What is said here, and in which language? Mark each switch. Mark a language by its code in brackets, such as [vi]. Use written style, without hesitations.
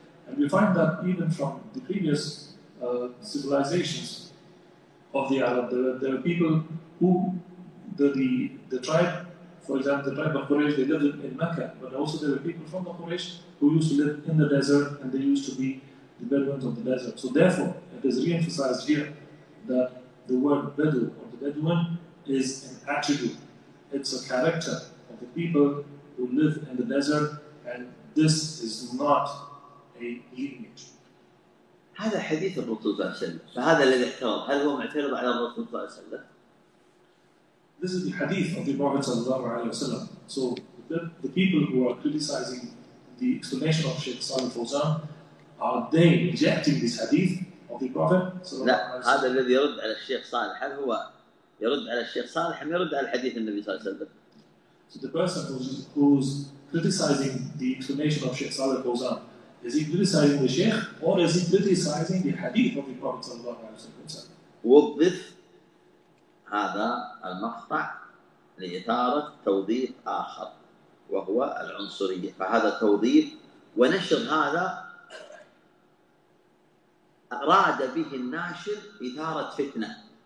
[en] And we find that even from the previous civilizations of the Arab, there are people who the tribe, for example, the tribe of Quraysh, they lived in Mecca, but also there were people from the Quraysh who used to live in the desert and they used to be the Bedouins of the desert. So therefore, it is re-emphasized here that the word Bedou or the Bedouin is an attribute. It's a character of the people who live in the desert, and this is not a lineage. [ar] هذا حديث الرسول صلى الله عليه وسلم، فهذا الذي احترض، هل هو معترض على الرسول صلى الله عليه وسلم؟ [en] This is the hadith of the Prophet [ar] صلى الله عليه وسلم. [en] So the people who are criticizing the explanation of Sheikh Sa'ul Fawzan, are they rejecting this hadith of the Prophet [ar] صلى الله عليه وسلم؟ لا، هذا الذي يرد على الشيخ صالح، هل هو يرد على الشيخ صالح أم يرد على الحديث النبي صلى الله عليه وسلم؟ [en] So the person who's criticizing the explanation of Sheikh Sa'ul Fawzan, is he criticizing the Sheikh or is he criticizing the hadith of the Prophet [ar] صلى الله عليه وسلم؟ وظف هذا المقطع لإثارة توظيف آخر وهو العنصرية، فهذا توظيف ونشر، هذا أراد به الناشر إثارة فتنة.